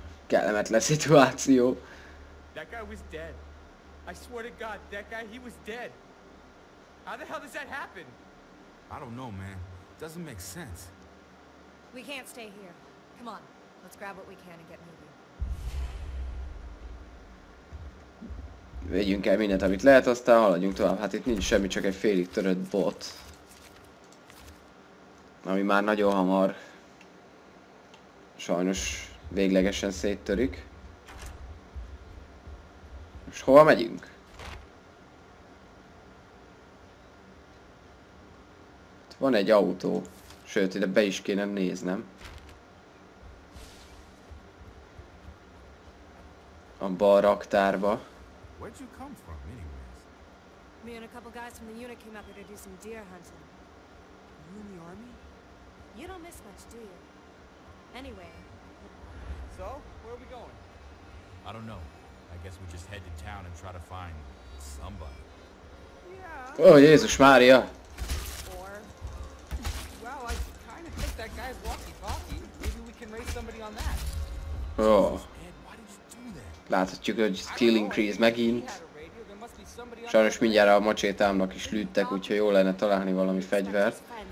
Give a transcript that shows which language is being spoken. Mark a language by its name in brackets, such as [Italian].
[Hungarian] Kellemetlen szituáció. [English] That guy was dead. I swear to God, that guy, he was dead. How the hell does that happen? I don't know, man. Doesn't make sense. We can't stay here. Come on, let's grab what we can and get moving. [Hungarian] Vegyünk el mindent, amit lehet, aztán haladjunk tovább. Hát itt nincs semmi, csak egy félig törött bot. Ami már nagyon hamar. Sajnos véglegesen széttörik. Most hova megyünk? Itt van egy autó. Sőt, ide be is kéne néznem. A bal raktárba. [English] Where'd you come from, anyways? Me and a couple guys from the unit came up here to do some deer hunting. You in the army? You don't miss much, do you? Anyway. So, where are we going? I don't know. I guess we just head to town and try to find somebody. Yeah. Oh, Jesus Maria. Or, well, I kind of think that guy's walkie-talkie. Maybe we can raise somebody on that. Oh. [Hungarian] Láthatjuk, hogy skill increase megint. Sajnos mindjárt a macsétámnak is lőttek, úgyhogy jó lenne találni valami fegyvert.